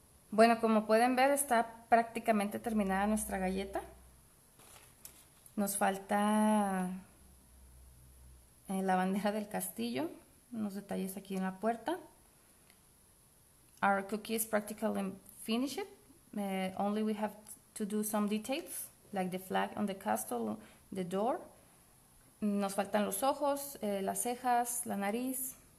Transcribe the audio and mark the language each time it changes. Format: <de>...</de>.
<es>Bueno, como pueden ver, está prácticamente terminada nuestra galleta. Nos falta la bandera del castillo, unos detalles aquí en la puerta.</es> <en>Our cookie is practically finished. Only we have to do some details, like the flag on the castle, the door.</en> <es>Nos faltan los ojos, las cejas, la nariz.</es>